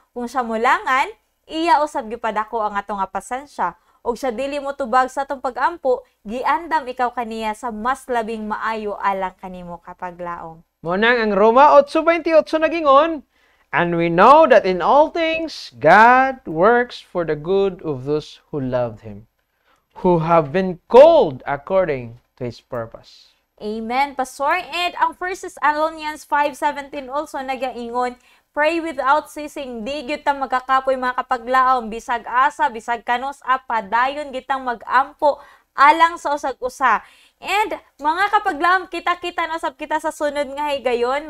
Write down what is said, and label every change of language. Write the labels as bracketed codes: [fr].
[ceb] Kung siya mulangan, iya usab gipadako ang atong pasensya. Og sa dili mo tubag sa atong pag-ampo, giandam ikaw kaniya sa mas labing maayo alang kanimo Kapaglaom. Munang ang Roma 8:28 nagingon, [en] and we know that in all things, God works for the good of those who love Him, who have been called according to His purpose. Amen, Pastor. And ang 1 Thessalonians 5:17 also nagaingon, pray without ceasing. [ceb] Di gitang magkakapoy mga Kapaglaom. Bisag asa, bisag kanos, apadayon gitang mag-ampo alang sa usag-usa. And mga Kapaglaom, kita-kita na usap kita sa sunod nga higayon.